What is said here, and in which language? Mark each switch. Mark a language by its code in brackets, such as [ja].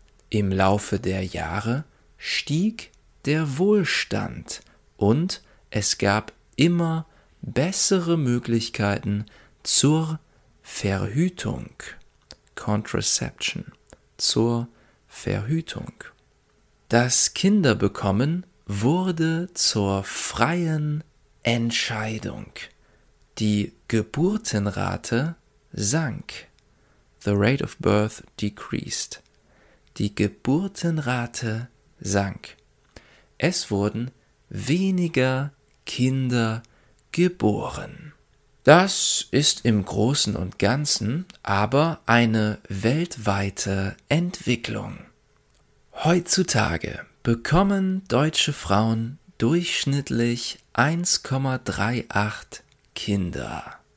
[de] Im Laufe der Jahre stieg der Wohlstand und es gab immer bessere Möglichkeiten zur Verhütung. Contraception, zur Verhütung. Das Kinderbekommen wurde zur freien Entscheidung. Die Geburtenrate sank. [en] The rate of birth decreased. [de] Die Geburtenrate sank. Es wurden weniger Kinder geboren. Das ist im Großen und Ganzen aber eine weltweite Entwicklung. Heutzutage bekommen deutsche Frauen durchschnittlich 1,38 Kinder.